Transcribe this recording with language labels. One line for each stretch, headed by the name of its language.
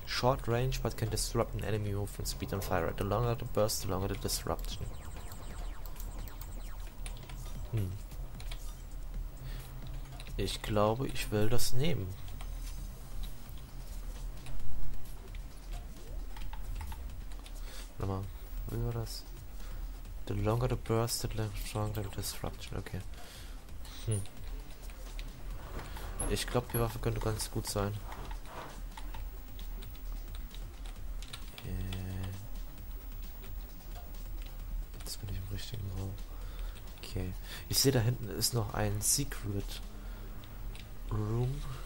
English: Short range, but can disrupt an enemy move with speed and fire. The longer the burst, the longer the disruption.
German: Ich glaube, ich will das nehmen. Nochmal. Wie war das?
English: The longer the burst, the stronger the disruption. Okay.
German: Ich glaube, die Waffe könnte ganz gut sein. Jetzt bin ich im richtigen Raum. Okay. Ich sehe, da hinten ist noch ein Secret Room.